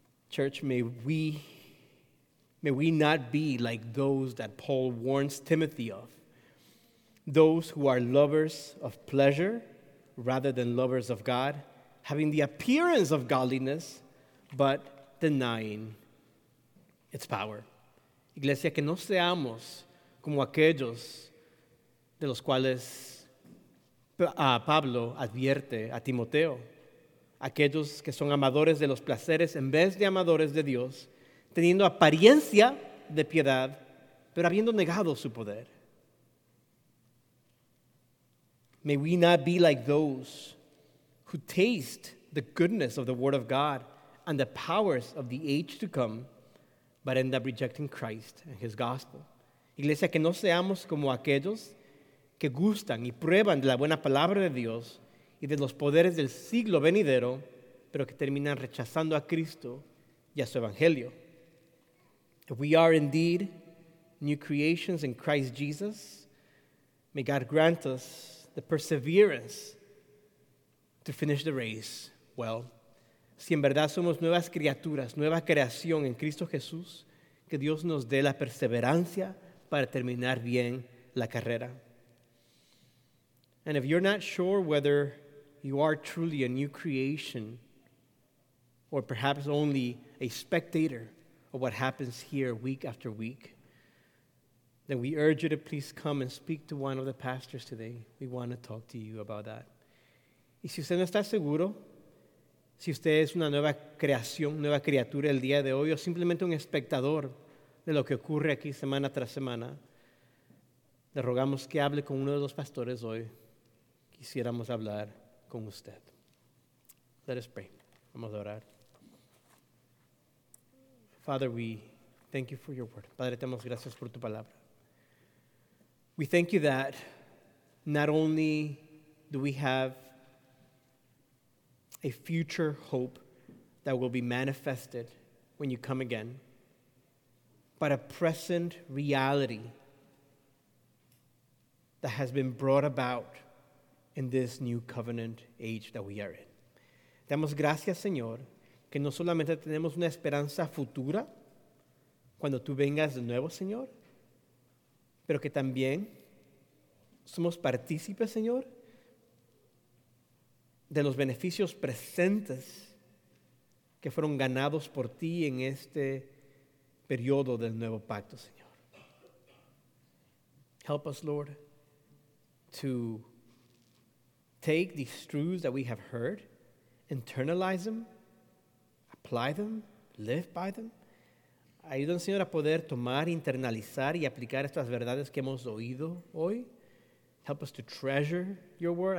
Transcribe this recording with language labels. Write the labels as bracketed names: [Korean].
[English] Church, may we not be like those that Paul warns Timothy of. Those who are lovers of pleasure rather than lovers of God, having the appearance of godliness but denying its power. [Spanish] Iglesia, que no seamos como aquellos de los cuales Pablo advierte a Timoteo, aquellos que son amadores de los placeres en vez de amadores de Dios, teniendo apariencia de piedad, pero habiendo negado su poder. [English] May we not be like those who taste the goodness of the word of God and the powers of the age to come, but end up rejecting Christ and his gospel. [Spanish] Iglesia, que no seamos como aquellos que gustan y prueban de la buena palabra de Dios y de los poderes del siglo venidero, pero que terminan rechazando a Cristo y a su evangelio. [English] If we are indeed new creations in Christ Jesus, may God grant us the perseverance to finish the race well. [Spanish] Si en verdad somos nuevas criaturas, nueva creación en Cristo Jesús, que Dios nos dé la perseverancia para terminar bien la carrera. [English] And if you're not sure whether you are truly a new creation or perhaps only a spectator of what happens here week after week, then we urge you to please come and speak to one of the pastors today. We want to talk to you about that. [Spanish] Y si usted no está seguro, si usted es una nueva creación, nueva criatura el día de hoy, o simplemente un espectador de lo que ocurre aquí semana tras semana, le rogamos que hable con uno de los pastores hoy. Quisiéramos hablar con usted. [English] Let us pray. [Spanish] Vamos a orar. [English] Father, we thank you for your word. [Spanish] Padre, te damos gracias por tu palabra. [English] We thank you that not only do we have a future hope that will be manifested when you come again, but a present reality that has been brought about in this new covenant age that we are in. [Spanish] Damos gracias, Señor, que no solamente tenemos una esperanza futura cuando tú vengas de nuevo, Señor, pero que también somos partícipes, Señor, de los beneficios presentes que fueron ganados por ti en este periodo del nuevo pacto, Señor. [English] Help us, Lord, to take these truths that we have heard, internalize them, apply them, live by them. [Spanish] Ayúdanos, Señor, a poder tomar, internalizar y aplicar estas verdades que hemos oído hoy. [English] Help us to treasure your word.